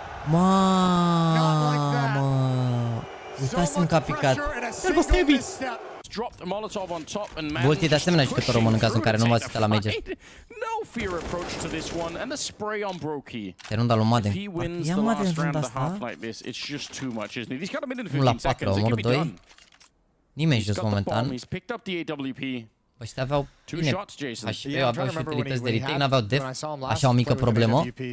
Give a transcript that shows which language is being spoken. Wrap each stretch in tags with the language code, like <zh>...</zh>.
<ro>Mamă, uitați-mi că a picat. Stai, bă, Stevie!</ro> <en>dropped a Molotov on top and managed to push him through to take a fight. No fear approach to this one and the spray on Brokey. If he wins the last round of the half like this, it's just too much, isn't it? He's got a minute and 15 seconds, it could be done.</en> <ro>Nimeni jos momentan.</ro> <en>He's picked up the AWP.</en> <ro>Ăștia aveau bine HP, aveau și utilități de retake, n-aveau def, așa o mică problemă.</ro>